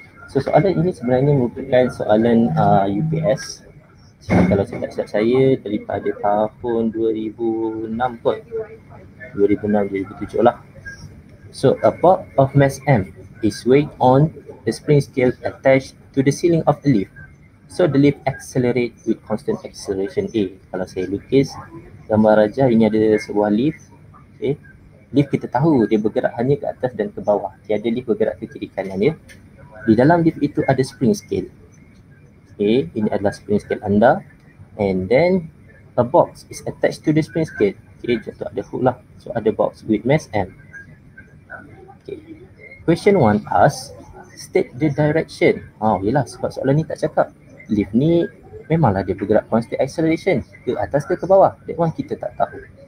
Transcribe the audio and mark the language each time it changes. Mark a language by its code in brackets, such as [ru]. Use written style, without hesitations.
[ms] So soalan ini sebenarnya merupakan soalan UPS. So, kalau saya tak silap saya daripada tahun 2006 pun. 2006-2007 lah. [en] So a box of mass M is weighed on the spring scale attached to the ceiling of the lift. So the lift accelerate with constant acceleration A. [ms] Kalau saya lukis gambar rajah, ini ada sebuah lift. Okay. Lift kita tahu dia bergerak hanya ke atas dan ke bawah. Tiada lift bergerak ke kiri kanan, ya. Di dalam lift itu ada spring scale. Okay, ini adalah spring scale anda. [en] And then a box is attached to the spring scale. Okay, [ms] contoh ada [en] hook [ms] lah. [en] So [ms] ada [en] box with mass M. Okay. Question 1 asks, state the direction. [ms] Oh, yelah sebab soalan ni tak cakap. Lift ni memanglah dia bergerak constant acceleration ke atas ke bawah. [en] That one [ms] kita tak tahu.